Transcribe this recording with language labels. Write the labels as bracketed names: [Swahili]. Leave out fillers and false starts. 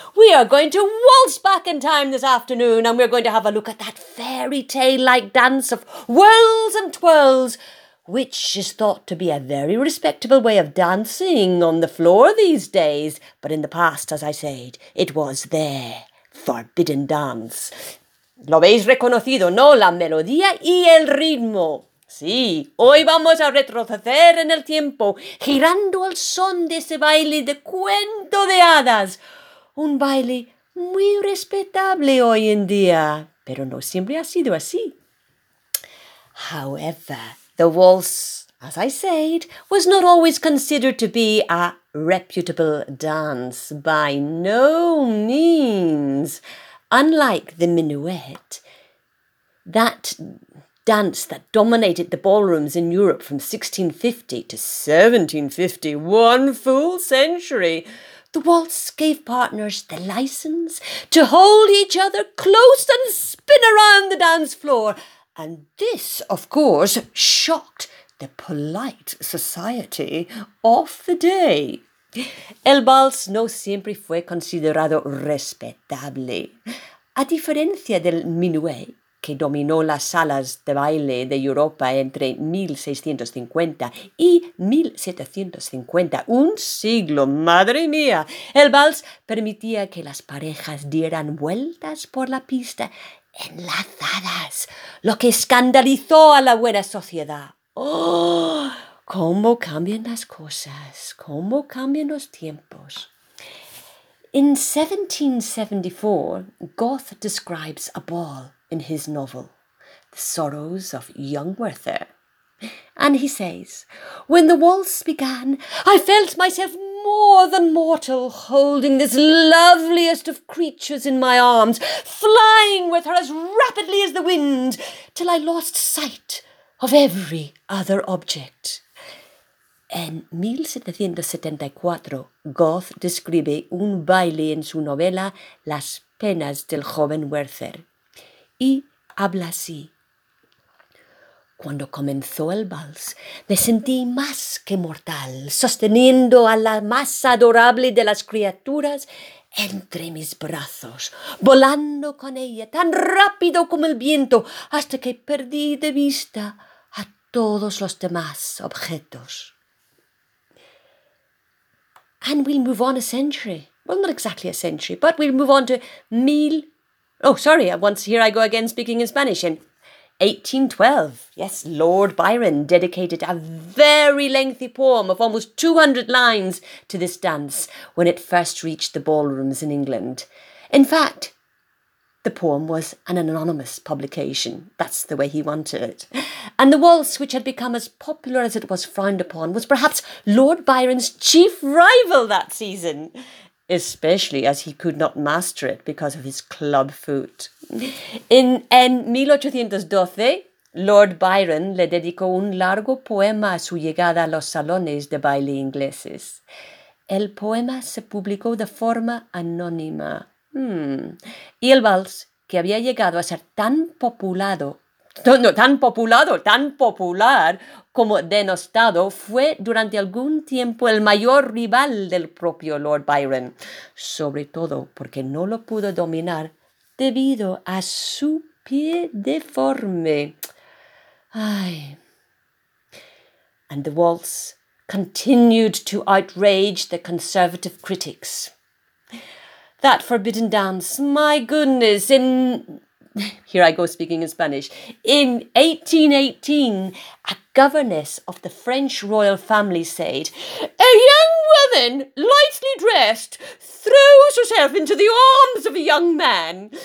[English] We are going to waltz back in time this afternoon, and we're going to have a look at that fairy tale-like dance of whirls and twirls, which is thought to be a very respectable way of dancing on the floor these days. But in the past, as I said, it was their forbidden dance. [Spanish] Lo habéis reconocido, ¿no? La melodía y el ritmo. Sí, hoy vamos a retroceder en el tiempo, girando al son de ese baile de cuento de hadas. Un baile muy respetable hoy en día, pero no siempre ha sido así. [English] However, the waltz, as I said, was not always considered to be a reputable dance, by no means. Unlike the minuet, that dance that dominated the ballrooms in Europe from 1650 to 1750, one full century, the waltz gave partners the license to hold each other close and spin around the dance floor. And this, of course, shocked the polite society of the day. [Spanish] El vals no siempre fue considerado respetable. A diferencia del minuet, que dominó las salas de baile de Europa entre 1650 y 1750, un siglo, madre mía, el vals permitía que las parejas dieran vueltas por la pista enlazadas, lo que escandalizó a la buena sociedad. ¡Oh! ¿Cómo cambian las cosas? ¿Cómo cambian los tiempos? [English] In 1774, Goethe describes a ball in his novel, The Sorrows of Young Werther. And he says, "When the waltz began, I felt myself more than mortal, holding this loveliest of creatures in my arms, flying with her as rapidly as the wind, till I lost sight of every other object." [Spanish] En 1774, Goethe describe un baile en su novela Las penas del joven Werther, y habla así. Cuando comenzó el vals, me sentí más que mortal, sosteniendo a la más adorable de las criaturas entre mis brazos, volando con ella tan rápido como el viento, hasta que perdí de vista a todos los demás objetos. [English] And we'll move on a century. Well, not exactly a century, but we'll move on to 1812. Yes, Lord Byron dedicated a very lengthy poem of almost 200 lines to this dance when it first reached the ballrooms in England. In fact, the poem was an anonymous publication. That's the way he wanted it. And the waltz, which had become as popular as it was frowned upon, was perhaps Lord Byron's chief rival that season, especially as he could not master it because of his club foot. In 1812, [Spanish] Lord Byron le dedicó un largo poema a su llegada a los salones de baile ingleses. El poema se publicó de forma anónima. Y el vals, que había llegado a ser tan popular como denostado, fue durante algún tiempo el mayor rival del propio Lord Byron, sobre todo porque no lo pudo dominar debido a su pie deforme. Ay. A [English] and the waltz continued to outrage the conservative critics. That forbidden dance, my goodness, in... Here I go speaking in Spanish. In 1818, a governess of the French royal family said, "A young woman, lightly dressed, throws herself into the arms of a young man.